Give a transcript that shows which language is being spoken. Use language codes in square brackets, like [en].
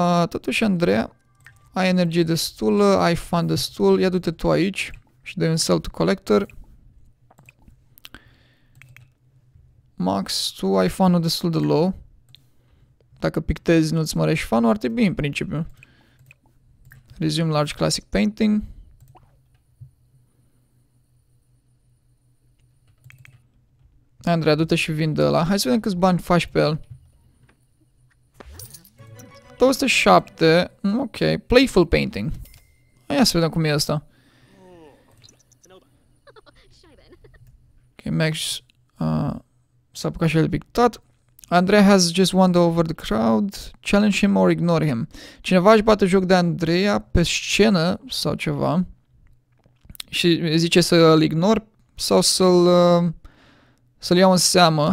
[ro] Totuși, Andreea, ai energie destulă, ai fun destul. Ia du-te tu aici și dă-i un [en] sell to collector. [ro] Max, tu ai fun-ul destul de low. Dacă pictezi, nu-ți mărești fanul, ar trebui în principiu. [en] Resume large classic painting. [ro] Andreea, du-te și vinde ăla. Hai să vedem câți bani faci pe el. 207. Ok. [en] Playful painting. [ro] Hai să vedem cum e asta. Ok, Max s-a apucat și el pictat. [en] Andrea has just wandered over the crowd. Challenge him or ignore him. [ro] Cineva își bate joc de Andreea pe scenă sau ceva și zice să-l ignor sau să-l iau în seamă.